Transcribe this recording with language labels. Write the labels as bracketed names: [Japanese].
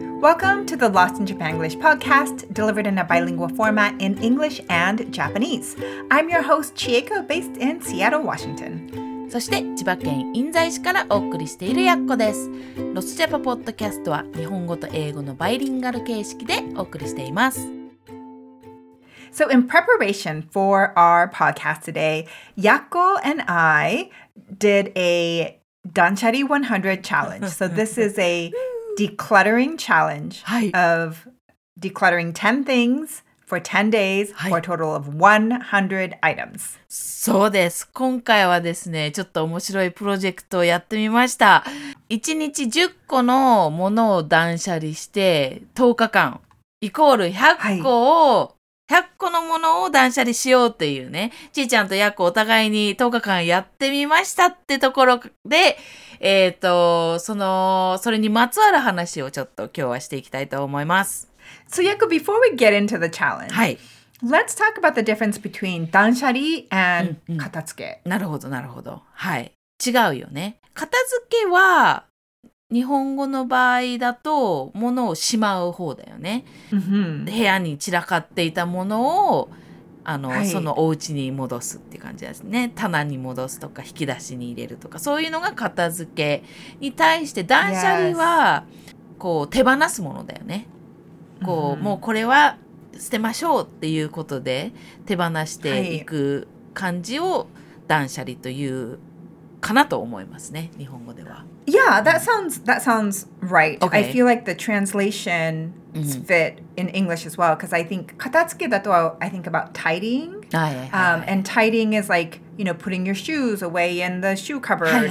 [English] Welcome to the Lost in Japan English podcast, delivered in a bilingual format in English and Japanese. I'm your host, Chieko, based in Seattle, Washington. [Japanese] そして千葉県印西市からお送りしているやっこです。ロスジャパポッドキャストは日本語と英語のバイリンガル形式でお送りしています。 [English] So in preparation for our podcast today, Yakko and I did a Danchari 100 challenge. So this is a decluttering challenge of decluttering 10 things for 10 days for a total of 100 items. [Japanese] そうです。今回はですね、ちょっと面白いプロジェクトをやってみました。 1日10個のものを断捨離して10日間、イコール100個を、100個のものを断捨離しようというね、ちーちゃんとやっこお互いに10日間やってみましたってところで、それにまつわる話をちょっと今日はしていきたいと思います。 [English] So, Yakko, before we get into the challenge,、 [Japanese] はい、 [English] let's talk about the difference between 断捨離 and 片付け。 [Japanese] うんうん、なるほど、なるほど。はい。違うよね。片付けは、日本語の場合だと物をしまう方だよね、 mm-hmm. 部屋に散らかっていたものをはい、そのお家に戻すって感じですね棚に戻すとか引き出しに入れるとかそういうのが片付けに対して断捨離は、 [English] yes. [Japanese] こう手放すものだよねこう、 [English] mm-hmm. [Japanese] もうこれは捨てましょうっていうことで手放していく感じを断捨離というかなと思いますね日本語では [English] Yeah, that sounds right. Okay. I feel like the translation fit in English as well, because I think [Japanese] katatsuke dato, [English] I think about tidying. And tidying is like, you know, putting your shoes away in the shoe cupboard.